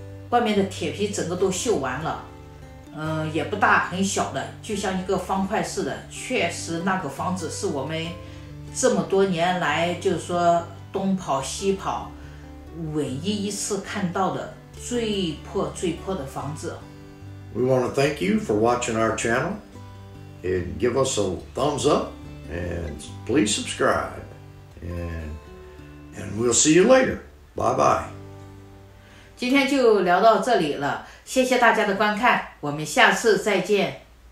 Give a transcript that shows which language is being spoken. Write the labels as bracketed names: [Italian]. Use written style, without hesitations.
[Chinese] 外面的铁皮整个都锈完了，也不大，很小的，就像一个方块似的。确实那个房子是我们这么多年来，就是说东跑西跑，唯一一次看到的最破最破的房子。 [English] We want to thank you for watching our channel, and give us a thumbs up, and please subscribe, and we'll see you later. Bye bye. [Chinese] 今天就聊到这里了，谢谢大家的观看，我们下次再见。